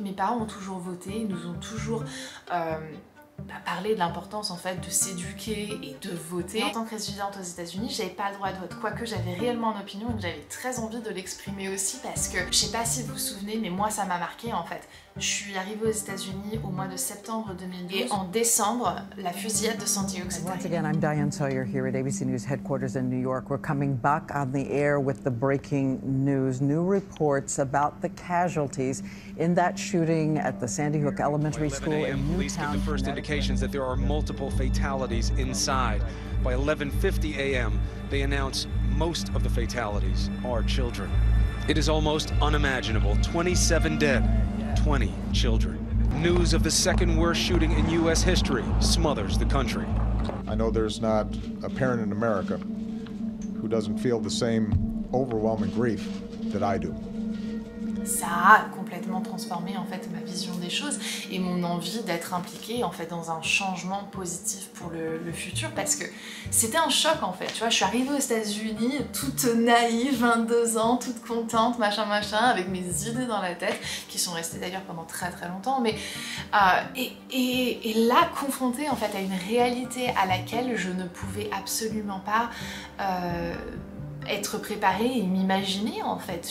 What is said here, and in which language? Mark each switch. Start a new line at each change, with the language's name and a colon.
French: Mes parents ont toujours voté, ils nous ont toujours parler de l'importance en fait de s'éduquer et de voter. Et en tant que résidente aux États-Unis, j'avais pas le droit de vote, quoique j'avais réellement une opinion et que j'avais très envie de l'exprimer aussi parce que, je sais pas si vous vous souvenez, mais moi ça m'a marqué en fait. Je suis arrivée aux États-Unis au mois de septembre 2012 et en décembre, la fusillade de San Diego s'est arrivée.
English: Once again, I'm Diane Sawyer here at ABC News headquarters in New York. We're coming back on the air with the breaking news. New reports about the casualties in that shooting at the Sandy Hook Elementary School in Newtown. Police give the first indications that there are multiple fatalities inside. By 11:50 a.m., they announce most of the fatalities are children. It is almost unimaginable. 27 dead, 20 children. News of the second worst shooting in U.S. history smothers the country. I know there's not a parent in America who doesn't feel the same overwhelming grief that I do.
French: Ça a complètement transformé en fait ma vision des choses et mon envie d'être impliquée en fait dans un changement positif pour le futur, parce que c'était un choc en fait, tu vois. Je suis arrivée aux États-Unis toute naïve, 22 ans, toute contente, machin machin, avec mes idées dans la tête qui sont restées d'ailleurs pendant très très longtemps, mais et là confrontée en fait à une réalité à laquelle je ne pouvais absolument pas être préparée et m'imaginer en fait.